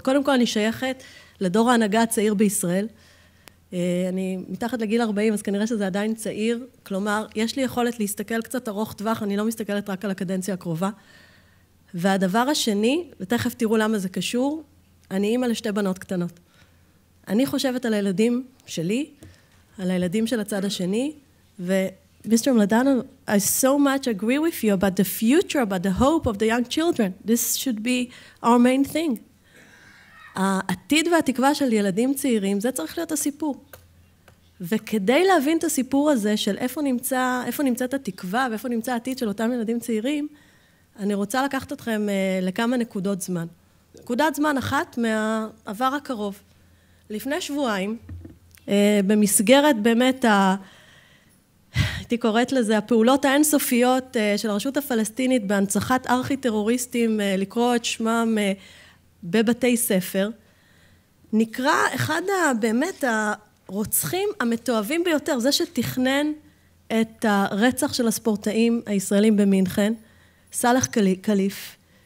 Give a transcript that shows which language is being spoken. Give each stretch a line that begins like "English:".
Hebrew: קודם כל אני שייכת לדור ההנהגה הצעיר בישראל, אני מתחת לגיל 40, אז כנראה שזה עדיין צעיר. כלומר, יש לי יכולת להסתכל קצת ארוך טווח, אני לא מסתכלת רק על הקדנציה הקרובה. והדבר השני, ותכף תראו למה זה קשור, אני אימא לשתי בנות קטנות. אני חושבת על הילדים שלי, על הילדים של הצד השני, ומיסטר מלדנו,
English: I so much agree with you about the future, about the hope of the young children. This should be our main thing.
Hebrew: העתיד והתקווה של ילדים צעירים, זה צריך להיות הסיפור. וכדי להבין את הסיפור הזה של איפה נמצאת התקווה ואיפה נמצא העתיד של אותם ילדים צעירים, אני רוצה לקחת אתכם לכמה נקודות זמן. נקודת זמן אחת מהעבר הקרוב. לפני שבועיים, במסגרת באמת, הייתי קוראת לזה, הפעולות האינסופיות של הרשות הפלסטינית בהנצחת ארכי-טרוריסטים, לקרוא את שמם בבתי ספר, נקרא אחד באמת הרוצחים המתואבים ביותר, זה שתכנן את הרצח של הספורטאים הישראלים במינכן, סלח קליף.